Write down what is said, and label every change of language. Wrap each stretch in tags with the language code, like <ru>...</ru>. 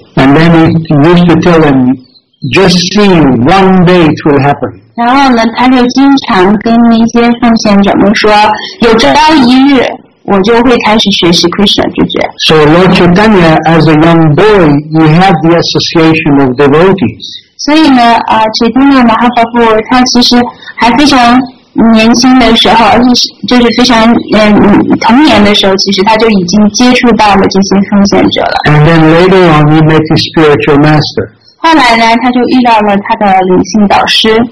<en>And then he used to tell him, just see one day it will happen.</en> <zh>然后呢，他就经常跟那些奉献者们说，有朝一日我就会开始学习 Krishna 知觉。</zh> <en>So Lord Chaitanya, as a young boy, he had the association of devotees.</en> <zh>所以呢，Chaitanya Mahaprabhu 他其实还非常年轻的时候，就是非常童年的时候，其实他就已经接触到了这些奉献者了。</zh> <en>And then later on, he met his spiritual master.</en> <zh>后来呢，他就遇到了他的灵性导师。</zh>